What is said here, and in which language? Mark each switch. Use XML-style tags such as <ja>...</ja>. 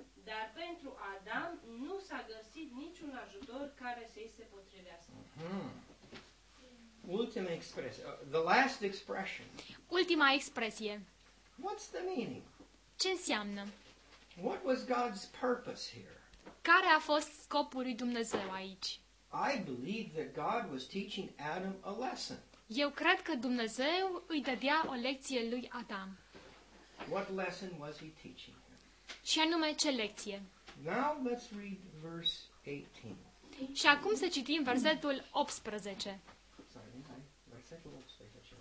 <ro>Dar pentru Adam nu s-a găsit niciun ajutor care să-i se potrivească.</ro> <en>Uh-huh.</en> <ro>Ultima expresie.</ro> <en>The last expression.</en> <ro>Ultima expresie.</ro> <en>What's the meaning?</en> <ro>Ce înseamnă?</ro> <en>What was God's purpose here?</en> <ro>Care a fost scopul lui Dumnezeu aici?</ro> <en>I believe that God was teaching Adam a lesson.</en> <ro>Eu cred că Dumnezeu îi dădea o lecție lui Adam.</ro> <en>What lesson was he teaching him?</en> <ro>Și anume, ce lecție?</ro> <en>Now let's read verse 18.</en> <ro>Și acum să citim versetul 18. Versetul 18.</ro>